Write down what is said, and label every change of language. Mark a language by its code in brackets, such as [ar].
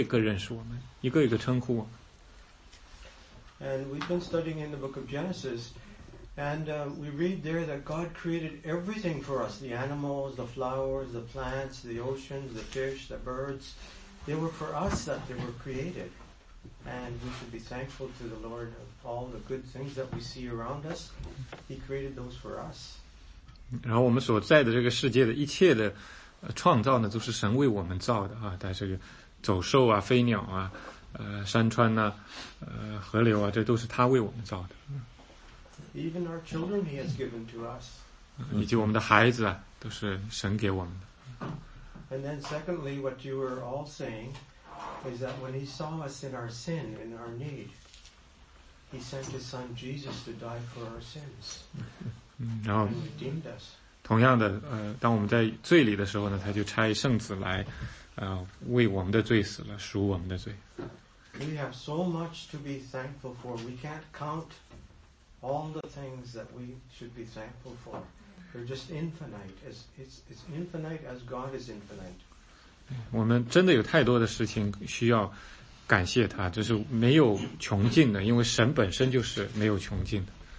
[zh] 所以呢，这里呢，我们从创造开始讲啊，其实他这边反复提到了，就是数点星宿的数目啊，星宿呢，其实就是神的创造，就是万物的创造。然后呢，他的角度是，他圣经在这里的角度是说，他一一称他的名，所以他认识我们呢，是一个一个认识的。然后他也虽然知道我们的全部，但是他一个一个的爱我们，一个一个称呼我们。 [en] And we've been studying in the book of Genesis, and we read there that God created everything for us, the animals, the flowers, the plants, the oceans, the fish, the birds. They were for us that they were created. And we should be thankful to the Lord of all the good things that we see around us. He created those for us. [zh] 然后我们所在的这个世界的一切的创造呢，都是神为我们造的啊，在这个走兽啊、飞鸟啊、山川呐、啊、河流啊，这都是他为我们造的。 [en] Even our children he has given to us. [zh] 以及我们的孩子啊，都是神给我们的。 [en] And then secondly, what you were all saying is that when he saw us in our sin, in our need, he sent his son Jesus to die for our sins. [zh] 然后同样的当我们在罪里的时候呢，他就差圣子来为我们的罪死了，赎我们的罪。 [en] We have so much to be thankful for. We can't count all the things that we should be thankful for. They're just infinite. It's infinite as God is infinite. [zh] 我们真的有太多的事情需要感谢他，这是没有穷尽的，因为神本身就是没有穷尽的。